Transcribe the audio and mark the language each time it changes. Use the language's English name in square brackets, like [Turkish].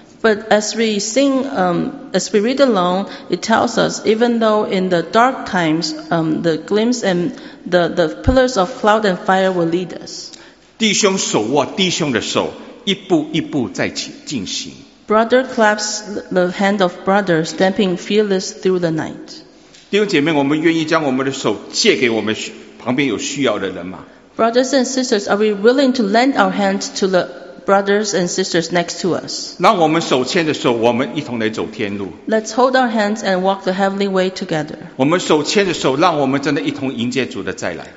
[English] But as we sing, as we read along, it tells us even though in the dark times, the gleams and the pillars of cloud and fire will lead us. [Chinese] 弟兄手握弟兄的手，一步一步在进行。 [English] Brother claps the hand of brother, stamping fearless through the night. [Chinese] 弟兄姐妹，我们愿意将我们的手借给我们旁边有需要的人吗 [English] ？Brothers and sisters, are we willing to lend our hands to the brothers and sisters next to us. [Chinese] 让我们手牵着手，我们一同来走天路。 [English] Let's hold our hands and walk the heavenly way together. [Chinese] 我们手牵着手，让我们真的一同迎接主的再来。